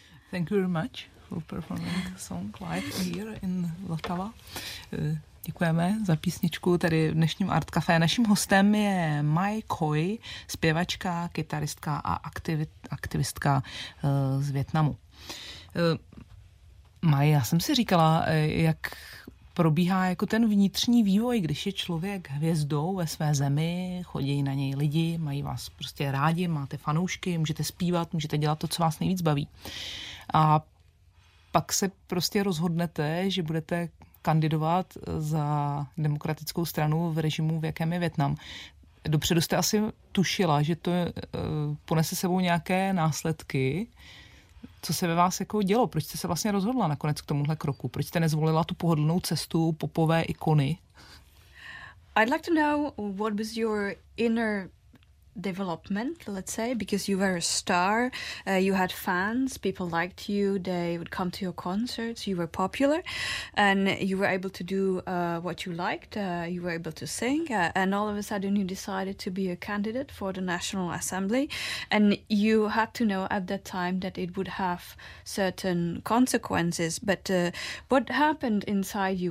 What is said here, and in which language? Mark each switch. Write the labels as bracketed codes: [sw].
[en] Thank you very much for performing the song live here in Vltava. [cs] Děkujeme za písničku tady v dnešním Art Café. Naším hostem je Mai Khoi, zpěvačka, kytaristka a aktivistka z Vietnamu. Mai, já jsem si říkala, jak probíhá jako ten vnitřní vývoj, když je člověk hvězdou ve své zemi, chodí na něj lidi, mají vás prostě rádi, máte fanoušky, můžete zpívat, můžete dělat to, co vás nejvíc baví. A pak se prostě rozhodnete, že budete kandidovat za demokratickou stranu v režimu, v jakém je Vietnam. Dopředu jste asi tušila, že to ponese sebou nějaké následky. Co se ve vás jako dělo? Proč jste se vlastně rozhodla nakonec k tomuhle kroku? Proč jste nezvolila tu pohodlnou cestu popové ikony? [en] I'd like to know what was your inner development, let's say, because you were a star, you had fans, people liked you, they would come to your concerts, you were popular, and you were able to do what you liked, you were able to sing, and all of a sudden you decided to be a candidate for the National Assembly, and you had to know at that time that it would have certain consequences, but what happened inside you?